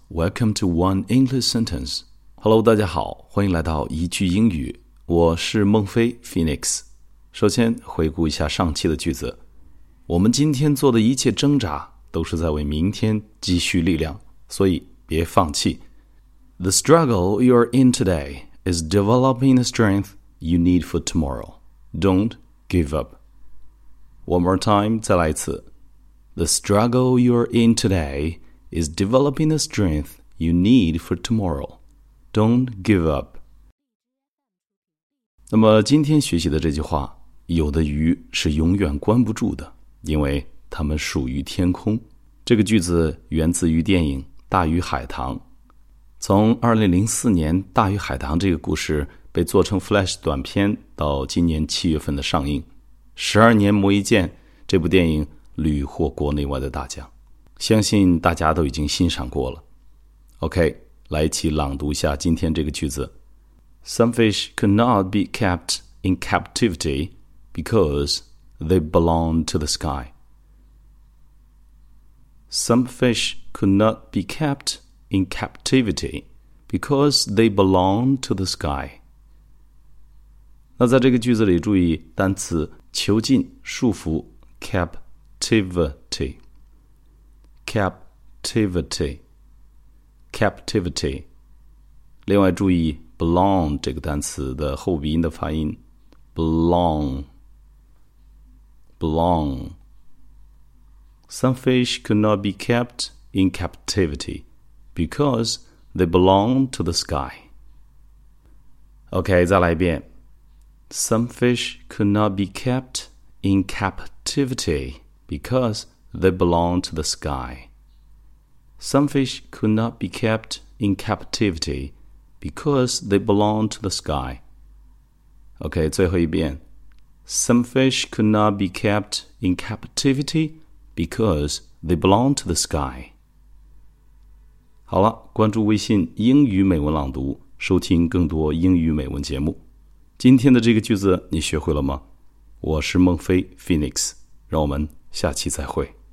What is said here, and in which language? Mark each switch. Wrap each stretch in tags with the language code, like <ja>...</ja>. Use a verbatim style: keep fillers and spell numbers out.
<en>Welcome to One English Sentence.</en> <zh>Hello, 大家好，欢迎来到一句英语。我是孟非 Phoenix。首先回顾一下上期的句子。我们今天做的一切挣扎都是在为明天积蓄力量，所以别放弃。</zh> <en>The struggle you're in today is developing the strength you need for tomorrow. Don't give up. One more time,</en> <zh>再来一次。</zh> <en>The struggle you're in today... is developing the strength you need for tomorrow. Don't give up.</en> <zh>那么今天学习的这句话，有的鱼是永远关不住的，因为它们属于天空。这个句子源自于电影《大鱼海棠》。从二零零四年《大鱼海棠》这个故事被做成 Flash 短片，到今年七月份的上映。十二年磨一剑，这部电影屡获国内外的大奖。相信大家都已经欣赏过了。OK, 来一起朗读一下今天这个句子。</zh> <en>Some fish could not be kept in captivity because they belong to the sky. Some fish could not be kept in captivity because they belong to the sky.</en> <zh>那在这个句子里注意单词囚禁、束缚 captivity。</zh> <en>captivity captivity</en> <zh>另外注意</zh> <en>belong</en> <zh>这个单词的后鼻音的发音</zh> <en>belong belong Some fish could not be kept in captivity because they belong to the sky. OK,</en> <zh>再来一遍</zh> <en>Some fish could not be kept in captivity because they belong to the sky. Some fish could not be kept in captivity because they belong to the sky.</en> <zh>OK, 最后一遍。</zh> <en>Some fish could not be kept in captivity because they belong to the sky.</en> <zh>好了，关注微信英语美文朗读，收听更多英语美文节目。今天的这个句子你学会了吗？我是孟非 Phoenix， 让我们下期再会。</zh>